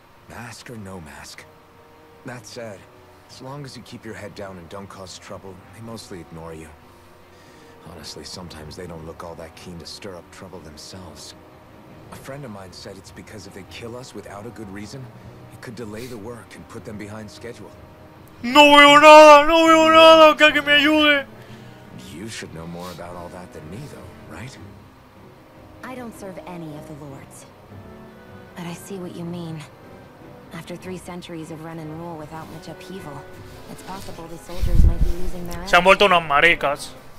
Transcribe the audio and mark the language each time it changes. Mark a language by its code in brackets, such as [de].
[en] Mask or no mask. That said, as long as you keep your head down and don't cause trouble, they mostly ignore you. Honestly, sometimes they don't look all that keen to stir up trouble themselves. A friend of mine said it's because if they kill us without a good reason, it could delay the work and put them behind schedule. [es] No veo nada, no veo nada, que alguien me ayude. [en] You should know more about all that than me, though, right? I don't serve any of the lords. But I see what you mean. After 3 centuries of Renan rule without much upheaval, it's possible the soldiers might be losing their... [es] Se han vuelto unas maricas.